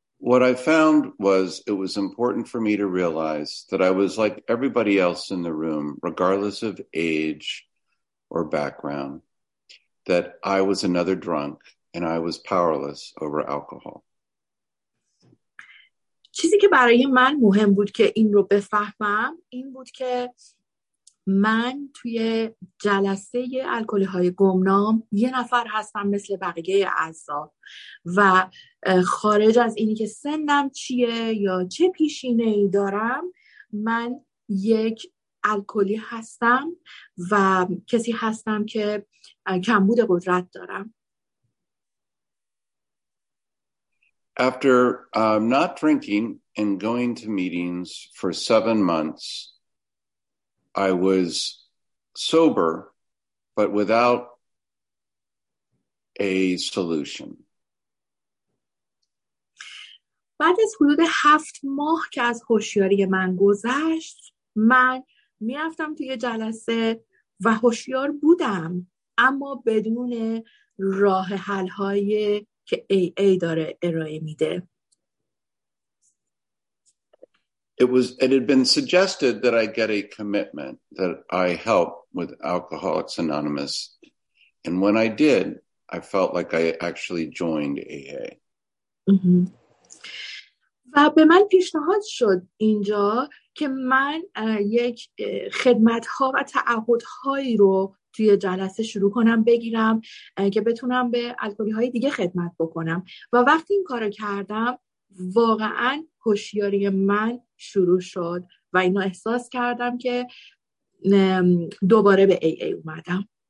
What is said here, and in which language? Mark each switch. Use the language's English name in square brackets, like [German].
[English] What I found was it was important for me to realize that I was like everybody else in the room, regardless of age or background, that I was another drunk and I was powerless over alcohol. [Persian] چیزی که برای من مهم بود که این رو بفهمم این بود که من توی جلسه الکلی‌های گمنام یه نفر هستم مثل بقیه اعضا، و خارج از اینی که سنم چیه یا چه پیشینه‌ای دارم، من یک الکلی هستم و کسی هستم که کمبود قدرت دارم. [English] After not drinking and going to meetings for 7 months, I was sober, but without a solution. [Persian] بعد از حدود 7 ماه که از هوشیاری من گذشت، من میرفتم توی جلسه و هوشیار بودم، اما بدون راه حل های که AA داره ارائه میده. [English] It had been suggested that I get a commitment that I help with Alcoholics Anonymous, and when I did, I felt like I actually joined AA. [Persian] و به من پیشنهاد شد اینجا که من یک خدمت ها و تعهد هایی رو توی جلسه شروع کنم بگیرم که بتونم به الکلی های دیگه خدمت بکنم، و وقتی این کارو کردم واقعا هوشیاری من شروع شد و اینو احساس کردم که دوباره به AA اومدم.